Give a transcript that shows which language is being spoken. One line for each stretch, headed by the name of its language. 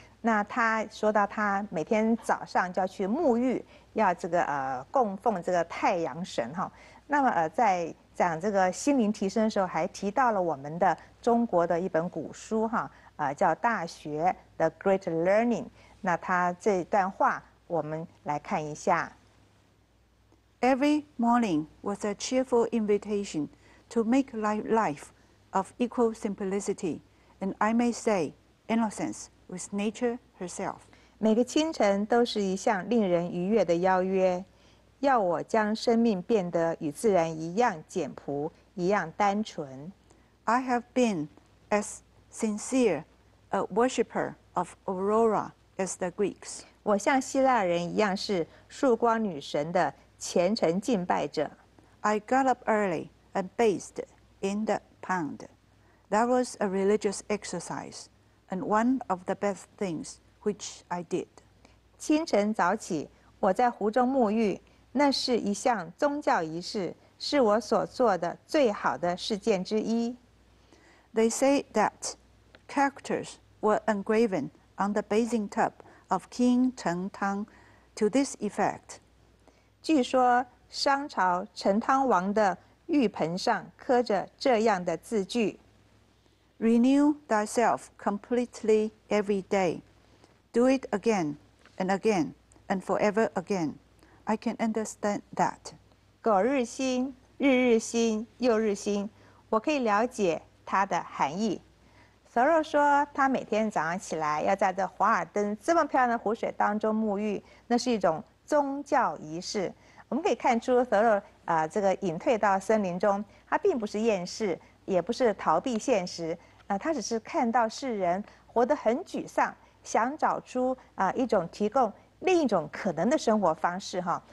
Chinese: 那他说到他每天早上就要去沐浴，要这个供奉这个太阳神哈。那么在讲这个心灵提升的时候，还提到了我们的中国的一本古书哈，叫《大学》The Great Learning。那他这段话，我们来看一下。
English: Every morning was a cheerful invitation to make life of equal simplicity, and I may say, innocence with nature herself.
Chinese: 每个清晨都是一项令人愉悦的邀约，要我将生命变得与自然一样简朴，一样单纯。
English: I have been as sincere a worshipper of Aurora as the Greeks.
Chinese: 我像希腊人一样是曙光女神的虔诚敬拜者。
English: I got up early and bathed in the pond. That was a religious exercise, and one of the best things which I did.
Chinese: 清晨早起，我在湖中沐浴，那是一项宗教仪式，是我所做的最好的事件之一。
English: They say that characters were engraven on the bathing tub of King Chen Tang to this effect.
Chinese: 据说商朝陈汤王的浴盆上刻着这样的字句
English: Renew thyself completely every day. Do it again and again and forever again. I can understand that.
Chinese: 苟日新，日日新，又日新，我可以了解它的含义。 Thoreau 说他每天早上起来要在这华尔登这么漂亮的湖水当中沐浴，那是一种宗教仪式。我们可以看出 Thoreau 这个隐退到森林中，他并不是厌世，也不是逃避现实，他只是看到世人活得很沮丧，想找出一种提供另一种可能的生活方式哈。